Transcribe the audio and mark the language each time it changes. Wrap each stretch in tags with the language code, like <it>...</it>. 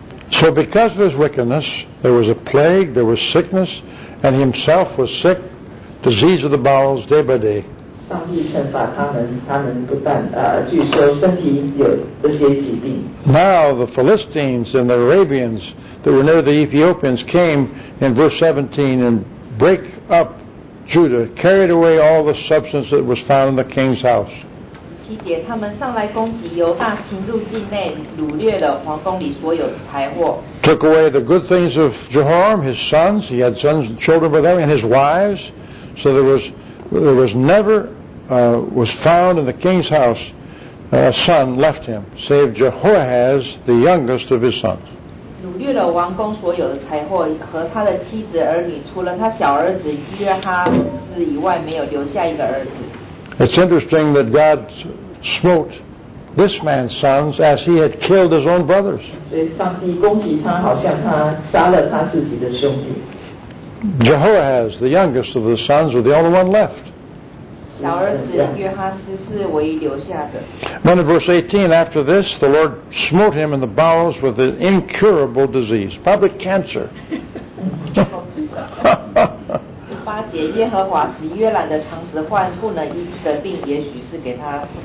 <en>So because of his wickedness, there was a plague, there was sickness, and he himself was sick, disease of the bowels day by day.</en> <zh>上帝惩罚他们不但据说身体有这些疾病。</zh> <en>Now the Philistines and the Arabians that were near the Ethiopians came in verse 17 and break up Judah, carried away all the substance that was found in the king's house.</en> <zh>17节，他们上来攻击犹大，侵入境内，掳掠了皇宫里所有的财货。</zh> <en>Took away the good things of Jehoram, his sons. He had sons and children with him, and his wives. So there was never found in the king's house a son left him, save Jehoahaz, the youngest of his sons.</en> <zh>掳掠了王宫所有的财货和他的妻子儿女，除了他小儿子约哈斯以外，没有留下一个儿子。</zh> <en>It's interesting that God smote this man's sons as he had killed his own brothers.</en> <zh>所以上帝攻击他，好像他杀了他自己的兄弟。</zh> <en>Jehoahaz, the youngest of the sons, was the only one left.</en> <zh>小儿子约哈斯是唯一留下的。</zh> <en>Then in verse 18, after this, the Lord smote him in the bowels with an incurable disease, probably cancer.</en> <zh>十八节，耶和华使约兰的肠子患不能医治的病，也许是给他</zh>